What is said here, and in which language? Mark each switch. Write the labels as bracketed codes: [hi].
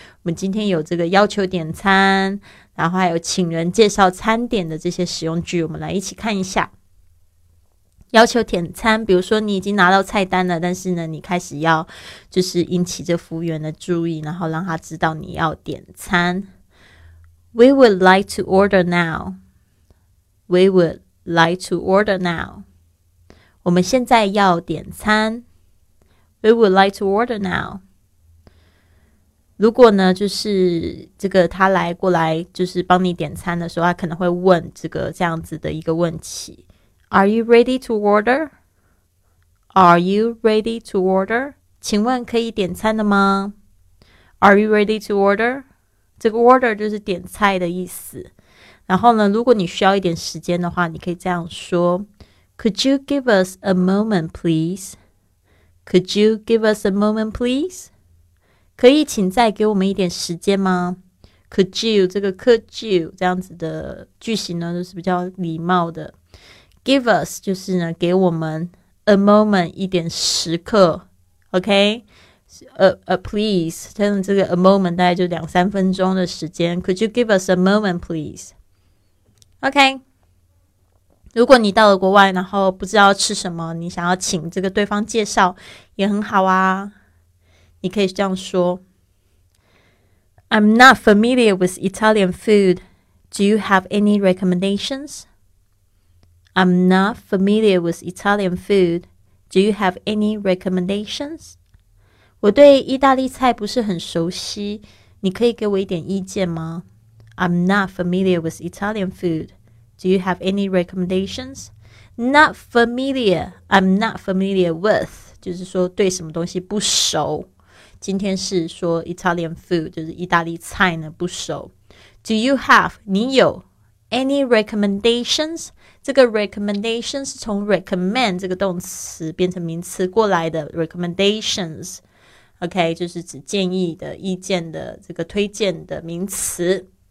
[zh] 我们今天有这个要求点餐，然后还有请人介绍餐点的这些实用句，我们来一起看一下。要求点餐，比如说你已经拿到菜单了，但是呢你开始要就是引起这服务员的注意，然后让他知道你要点餐。 [en] We would like to order now. We would like to order now. [zh] 我们现在要点餐。 [en] We would like to order now. [zh] 如果呢，就是这个他来过来就是帮你点餐的时候，他可能会问这个这样子的一个问题。 [en] Are you ready to order? Are you ready to order? [zh] 请问可以点餐了吗？ [en] Are you ready to order? [zh] 这个 order 就是点菜的意思。然后呢，如果你需要一点时间的话，你可以这样说 [en] Could you give us a moment, please? Could you give us a moment, please? [zh] 可以请再给我们一点时间吗？ [en] Could you, [zh] 这个 [en] could you [zh] 这样子的句型呢，就是比较礼貌的。 Give us 就是呢给我们 a moment, 一点时刻， OK? please, 真的这个 a moment 大概就两三分钟的时间。 [en] Could you give us a moment, please? [zh] OK, 如果你到了国外，然后不知道吃什么，你想要请这个对方介绍，也很好啊。你可以这样说 [en] I'm not familiar with Italian food. Do you have any recommendations? I'm not familiar with Italian food. Do you have any recommendations? [zh] 我对意大利菜不是很熟悉，你可以给我一点意见吗？ [en] I'm not familiar with Italian food. Do you have any recommendations? Not familiar, I'm not familiar with, [zh] 就是说对什么东西不熟。今天是说 Italian food, 就是意大利菜呢不熟。 [en] Do you have, [zh] 你有 [en] any recommendations? [zh] 这个 recommendation 是从 recommend 这个动词变成名词过来的 recommendations。 OK, 就是指建议的、意见的、这个推荐的名词。